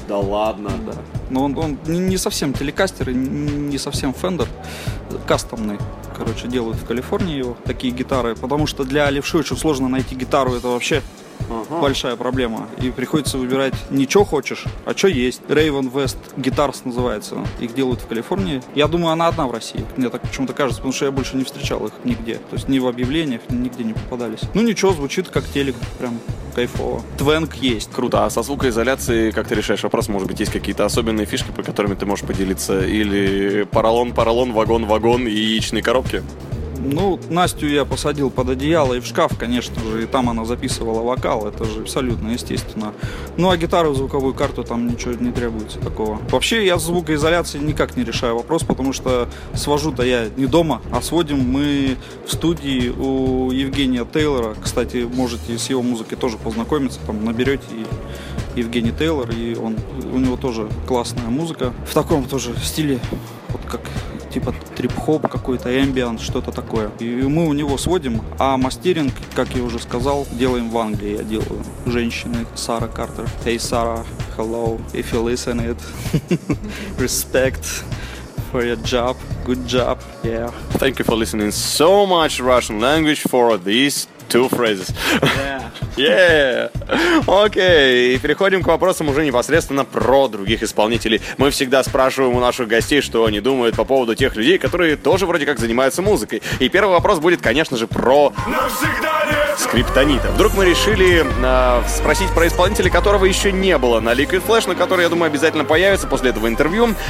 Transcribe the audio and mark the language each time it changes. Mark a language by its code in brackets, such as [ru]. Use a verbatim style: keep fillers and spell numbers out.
[ru] Да ладно. Да. Но он, он не совсем телекастер и не совсем Fender. Кастомный. Короче, делают в Калифорнии его. Такие гитары. Потому что для левши очень сложно найти гитару. Это вообще ага. большая проблема. И приходится выбирать не что хочешь, а что есть. Raven West Guitars называется. Их делают в Калифорнии. Я думаю, она одна в России. Мне так почему-то кажется, потому что я больше не встречал их нигде. То есть ни в объявлениях, нигде не попадались. Ну ничего, звучит как телек. Прям кайфово. Твенк есть. Круто. А со звукоизоляцией как ты решаешь вопрос? Может быть, есть какие-то особенные фишки, по которым ты можешь поделиться? Или поролон, поролон, вагон, вагон и яичные коробки? Ну, Настю я посадил под одеяло и в шкаф, конечно же, и там она записывала вокал, это же абсолютно естественно. Ну, а гитару, звуковую карту там ничего не требуется такого. Вообще, я с звукоизоляцией никак не решаю вопрос, потому что свожу-то я не дома, а сводим мы в студии у Евгения Тейлора. Кстати, можете с его музыкой тоже познакомиться, там наберете и... Евгений Тейлор, и он, у него тоже классная музыка. В таком тоже стиле, вот как типа трип-хоп какой-то, эмбиент, что-то такое. И мы у него сводим, а мастеринг, как я уже сказал, делаем в Англии. Я делаю женщины, Сара Картер. [en] Hey, Sarah, hello, if you listen it, respect for your job, good job, yeah. Thank you for listening so much Russian language for this two phrases. Yeah. Yeah. Окей, okay. [ru] Переходим к вопросам уже непосредственно про других исполнителей. Мы всегда спрашиваем у наших гостей, что они думают по поводу тех людей, которые тоже вроде как занимаются музыкой. И первый вопрос будет, конечно же, про... Навсегда лет Скриптонита. Вдруг мы решили э, спросить про исполнителя, которого еще не было на Liquid Flash, но который, я думаю, обязательно появится после этого интервью.